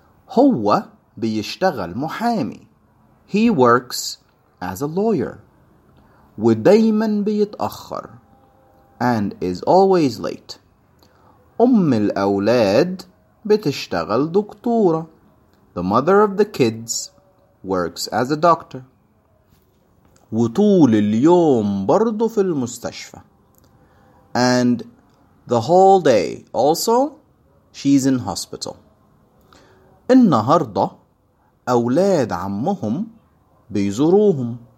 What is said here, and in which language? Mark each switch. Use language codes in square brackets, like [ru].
[ar] هو بيشتغل محامي. [en] He works as a lawyer. [ar] ودايما بيتأخر. [en] And is always late. [ar] أم الأولاد بتشتغل دكتورة. [en] The mother of the kids works as a doctor. [ar] وطول اليوم برضو في المستشفى. [en] And the whole day also, she's in hospital. [ar] النهاردة أولاد عمهم بيزوروهم.